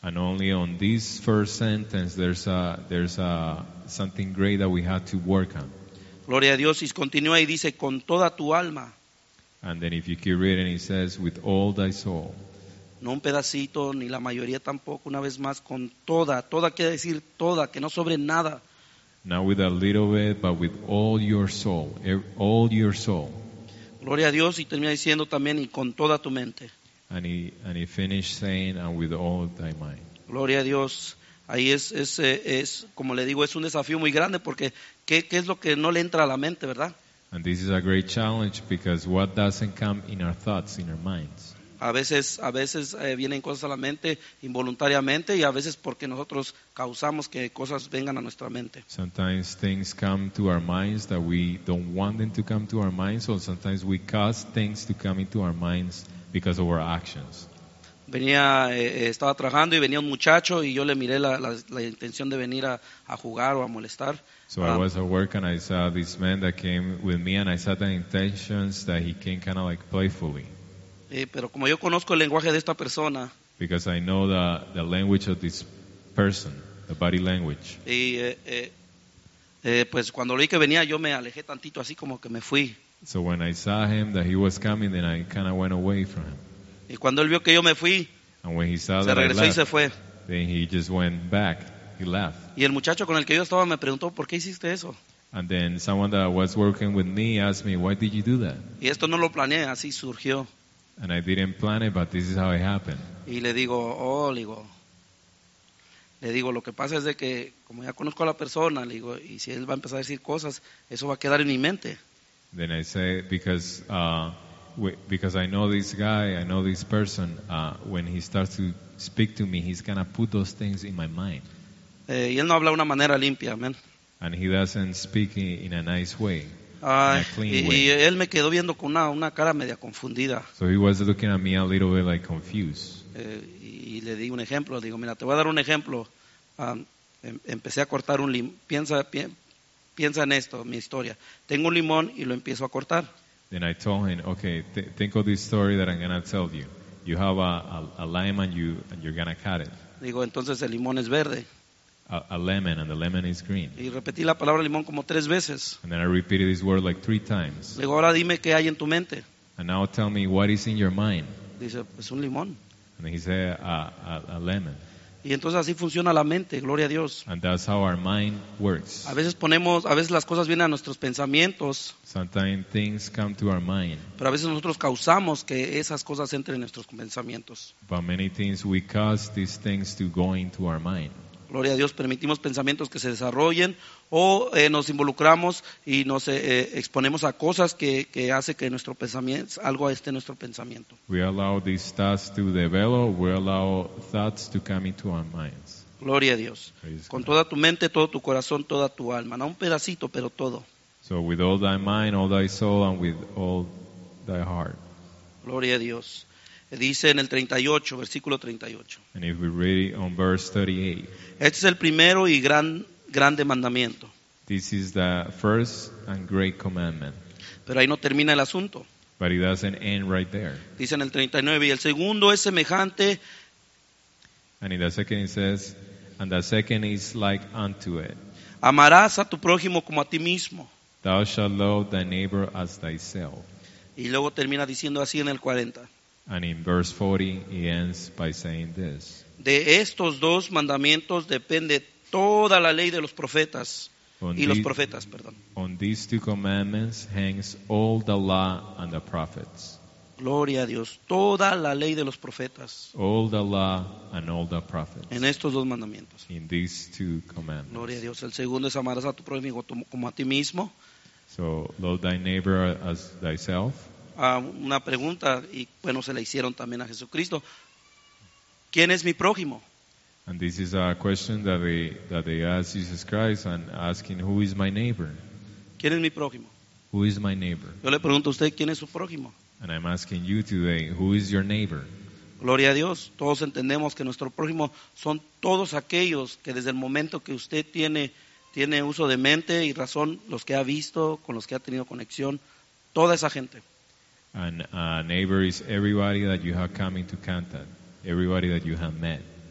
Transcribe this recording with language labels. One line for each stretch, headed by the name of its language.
English: And only on this first sentence, there's something great that we have to work on.
Spanish: Gloria a Dios. Y continúa y dice con toda tu alma.
English: And then if you keep reading, it says with all thy soul.
Spanish: No un pedacito ni la mayoría tampoco. Una vez más, con toda. Toda quiere decir toda, que no sobre nada.
English: Not with a little bit, but with all your soul. All your soul.
Spanish: Gloria a Dios, y termina diciendo también, y con toda tu mente.
English: And he finished saying, and with all thy mind.
Spanish: Gloria a Dios. Ahí es como le digo, es un desafío muy grande, porque ¿qué es lo que no le entra a la mente, verdad?
English: And this is a great challenge, because what doesn't come in our thoughts, in our minds?
Spanish: A veces vienen cosas a la mente involuntariamente, y a veces porque nosotros causamos que cosas vengan a nuestra mente.
English: Sometimes things come to our minds that we don't want them to come to our minds, or sometimes we cause things to come into our minds because of our actions.
Spanish: Estaba trabajando y venía un muchacho y yo le miré la intención de venir a jugar o a molestar.
English: So I was at work and I saw this man that came with me and I saw the intentions that he came kind of like playfully.
Spanish: Pero como yo conozco el lenguaje de esta persona,
English: because I know the language of this person, the body language.
Spanish: Y pues cuando vi que venía, yo me alejé tantito, así como que me fui.
English: So when I saw him that he was coming, then I kind of went away from him.
Spanish: Y cuando él vio que yo me fui,
English: and when he saw
Spanish: se regresó
English: that I
Spanish: y
English: left,
Spanish: se fue.
English: Then he just went back. He left.
Spanish: Y el muchacho con el que yo estaba me preguntó, ¿por qué hiciste eso?
English: And then someone that was working with me asked me, why did you do that?
Spanish: Y esto no lo planeé, así surgió.
English: And I didn't plan it, but this is how it happened.
Spanish: Y le digo, oh, le digo, lo que pasa es de que como ya conozco a la persona, le digo, y si él va a empezar a decir cosas, eso va a quedar en mi mente.
English: Then I say, because I know this guy, I know this person, when he starts to speak to me, he's gonna put those things in my mind.
Spanish: Y él no habla de una manera limpia, amen.
English: And he doesn't speak in a nice way.
Spanish: Y él me quedó viendo con una cara media confundida.
English: So he was looking at me a little bit like confused.
Spanish: Y le di un ejemplo, digo, mira, te voy a dar un ejemplo. Empecé a cortar un limón. Piensa en esto, mi historia. Tengo un limón y lo empiezo a cortar.
English: Then I told him, okay, think of this story that I'm gonna tell you. You have a lime and you're gonna cut it.
Spanish: Digo, entonces el limón es verde.
English: A lemon, and the lemon is green.
Spanish: Y repetí la palabra limón como tres veces.
English: And then I repeated this word like three times.
Spanish: Digo, ahora dime qué hay en tu mente.
English: And now tell me what is in your mind.
Spanish: Dice, pues un limón.
English: And he said, a lemon.
Spanish: Y entonces así funciona la mente, gloria a Dios.
English: And that's how our mind works.
Spanish: A veces las cosas vienen a nuestros pensamientos.
English: Sometimes things come to our mind.
Spanish: Pero a veces nosotros causamos que esas cosas entren en nuestros pensamientos.
English: But many things we cause these things to go into our mind.
Spanish: Gloria a Dios, permitimos pensamientos que se desarrollen o nos involucramos y nos exponemos a cosas que hace que nuestro pensamiento, algo esté en nuestro pensamiento.
English: We allow these thoughts to develop, we allow thoughts to come into our minds.
Spanish: Gloria a Dios. Con toda tu mente, todo tu corazón, toda tu alma, no un pedacito, pero todo.
English: So with all thy mind, all thy soul, and with all thy heart.
Spanish: Gloria a Dios. Dice en el 38, versículo 38.
English: And if we read it on verse 38.
Spanish: Este es el primero y grande mandamiento.
English: This is the first and great commandment.
Spanish: Pero ahí no termina el asunto.
English: But it doesn't end right there.
Spanish: Dice en el 39, y el segundo es semejante.
English: And in the second it says, and the second is like unto it.
Spanish: Amarás a tu prójimo como a ti mismo.
English: Thou shalt love thy neighbor as thyself.
Spanish: Y luego termina diciendo así en el 40.
English: And in verse 40, he ends by saying this.
Spanish: De estos dos mandamientos depende toda la ley de los profetas y los profetas, perdón.
English: On these two commandments hangs all the law and the prophets.
Spanish: Gloria a Dios. Toda la ley de los profetas.
English: All the law and all the prophets.
Spanish: En estos dos mandamientos.
English: In these two commandments.
Spanish: Gloria a Dios. El segundo es amarás a tu prójimo como a ti mismo.
English: So, love thy neighbor as thyself.
Spanish: Una pregunta, y bueno, se le hicieron también a Jesucristo. ¿Quién es mi prójimo?
English: And this is a question that they ask Jesus Christ and asking, who is my neighbor?
Spanish: ¿Quién es mi prójimo?
English: Who is my neighbor?
Spanish: Yo le pregunto a usted, ¿quién es su prójimo?
English: And I'm asking you today, who is your neighbor?
Spanish: Gloria a Dios, todos entendemos que nuestro prójimo son todos aquellos que desde el momento que usted tiene uso de mente y razón, los que ha visto, con los que ha tenido conexión, toda esa gente.
English: And a neighbor is everybody that you have come into contact, everybody that you have met.